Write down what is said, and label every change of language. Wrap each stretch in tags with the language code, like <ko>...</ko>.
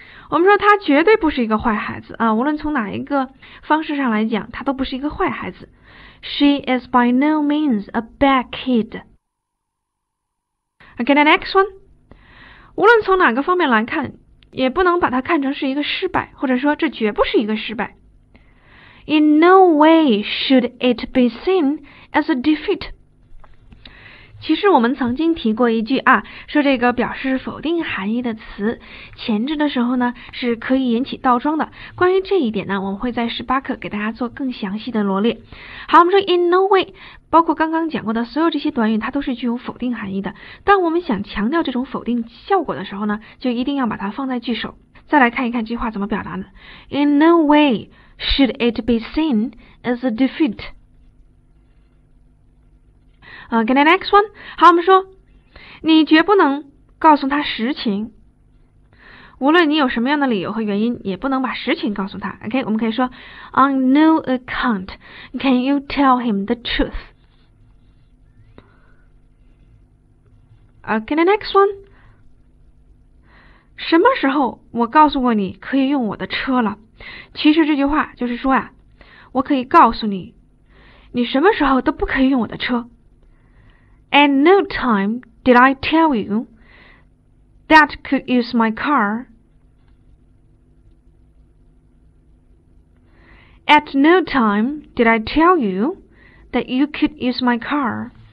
<zh>我们说他绝对不是一个坏孩子啊，无论从哪一个方式上来讲，他都不是一个坏孩子。</zh> <en>She is by no means a bad kid. Okay, the next one.</en> <zh>无论从哪个方面来看，也不能把他看成是一个失败，或者说这绝不是一个失败。</zh> <en>In no way should it be seen as a defeat.</en> <zh>其实我们曾经提过一句啊，说这个表示否定含义的词前置的时候呢是可以引起倒装的。关于这一点呢，我们会在18课给大家做更详细的罗列。好，我们说</zh> <en>in no way</en> <zh>包括刚刚讲过的所有这些短语，它都是具有否定含义的。当我们想强调这种否定效果的时候呢，就一定要把它放在句首。再来看一看这句话怎么表达的。</zh> <en>In no way should it be seen as a defeat. Okay, the next one.</en> <zh>好，我们说，你绝不能告诉他实情。无论你有什么样的理由和原因，也不能把实情告诉他。 Okay, 我们可以说</zh> <en>，On no account can you tell him the truth. Okay, the next one.</en> <zh>什么时候我告诉过你可以用我的车了？其实这句话就是说呀，我可以告诉你，你什么时候都不可以用我的车。</zh> <en>At no time did I tell you that could use my car. At no time did I tell you that you could use my car.</en>